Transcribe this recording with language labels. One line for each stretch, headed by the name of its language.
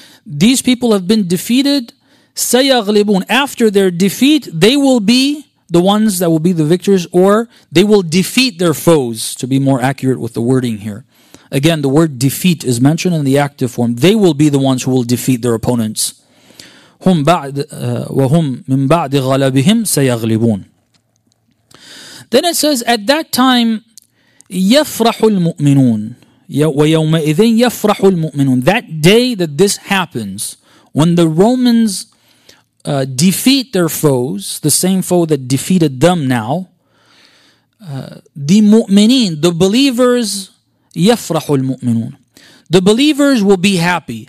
English: These people have been defeated.
Arabic: سَيَغْلِبُونَ,
English: after their defeat, they will be the ones that will be the victors, or they will defeat their foes, to be more accurate with the wording here. Again, the word defeat is mentioned in the active form. They will be the ones who will defeat their opponents.
Arabic: هم بعد وهم من بعد غلبهم سيغلبون.
English: Then it says, at that time
Arabic: يفرح المؤمنون ويومئذ يفرح المؤمنون.
English: That day that this happens, when the Romans defeat their foes, the same foe that defeated them now, the مؤمنين, the believers,
Arabic: يفرح المؤمنون,
English: the believers will be happy.